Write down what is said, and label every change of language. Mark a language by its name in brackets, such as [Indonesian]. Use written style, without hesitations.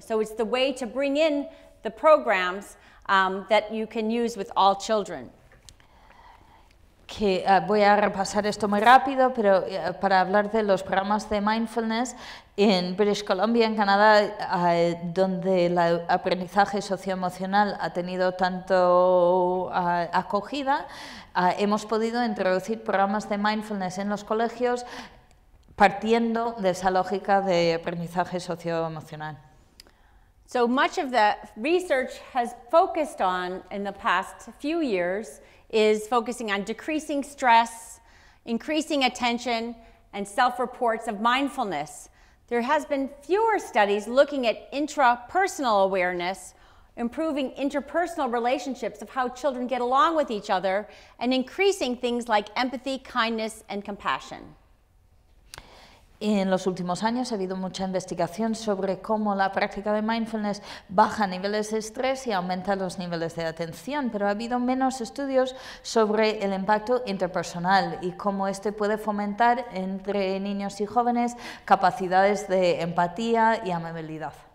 [English] So it's the way to bring in the programs that you can use with all children. [Spanish] Que voy a repasar esto muy rápido, pero para hablar de los programas de mindfulness en British Columbia, en Canadá, donde el aprendizaje socioemocional ha tenido tanto acogida, hemos podido introducir programas de mindfulness en los colegios partiendo de esa lógica de aprendizaje socioemocional. [English] So much of the research has focused on in the past few years is focusing on decreasing stress, increasing attention, and self-reports of mindfulness. There has been fewer studies looking at intrapersonal awareness, improving interpersonal relationships of how children get along with each other, and increasing things like empathy, kindness, and compassion. [Spanish] En los últimos años ha habido mucha investigación sobre cómo la práctica de mindfulness baja niveles de estrés y aumenta los niveles de atención, pero ha habido menos estudios sobre el impacto interpersonal y cómo este puede fomentar entre niños y jóvenes capacidades de empatía y amabilidad.